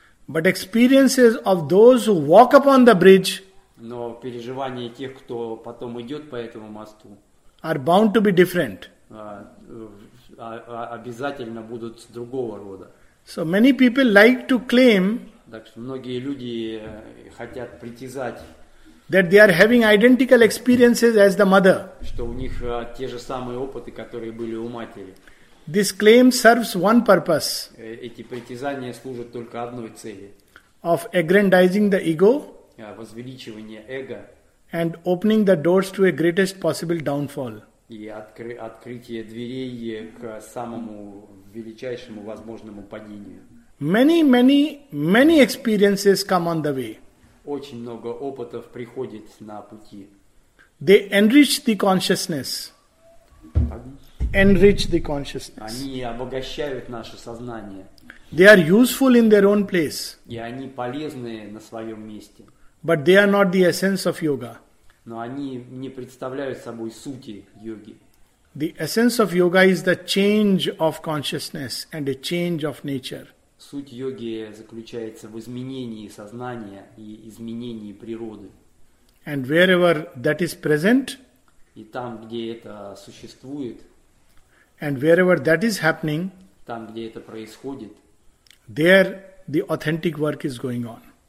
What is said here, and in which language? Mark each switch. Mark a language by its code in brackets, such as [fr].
[en] But experiences of those who walk upon the bridge. [ru] Но переживания тех, кто потом идет по этому мосту. [en] Are bound to be different. [ru] Обязательно будут другого рода. [en] So many people like to claim. [ru] Так что многие люди хотят притязать, [en] that they are having identical experiences as the mother. [ru] Что у них те же самые опыты, которые были у матери. [en] This claim serves one purpose. [ru] Эти притязания служат только одной цели. [en] Of aggrandizing the ego. [ru] Возвеличивание эго. [en] And opening the doors to a greatest possible downfall. [ru] И открытие дверей к самому величайшему возможному падению. [en] Many, many, many experiences come on the way. [ru] Очень много опытов приходит на пути. [en] They enrich the consciousness. Enrich the consciousness. [ru] Они обогащают наше сознание. [en] They are useful in their own place. [ru] И они полезны на своем месте. [en] But they are not the essence of yoga. [ru] Но они не представляют собой сути йоги. [en] The essence of yoga is the change of consciousness and a change of nature. [ru] Суть йоги заключается в изменении сознания и изменении природы. [en] And wherever that is present, [ru] и там, где это существует, [en] and wherever that is happening, [ru] там, где это происходит, [en] there the authentic work is going on.